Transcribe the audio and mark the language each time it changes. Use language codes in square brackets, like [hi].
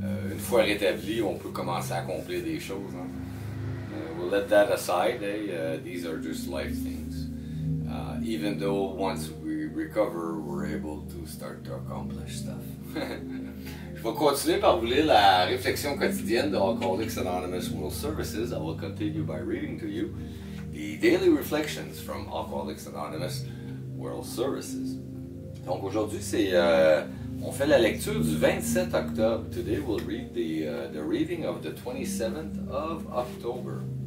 [fr] Une fois rétabli, on peut commencer à accomplir des choses, hein. [en] We'll let that aside, eh? These are just life things. Even though once we recover, we're able to start to accomplish stuff. [fr] Je vais continuer par vous lire la réflexion quotidienne de Alcoholics Anonymous World Services. [en] I will continue by reading to you the daily reflections from Alcoholics Anonymous World Services. [fr] Donc aujourd'hui, on fait la lecture du 27 octobre. [en] Today we'll read the reading of the 27th of October.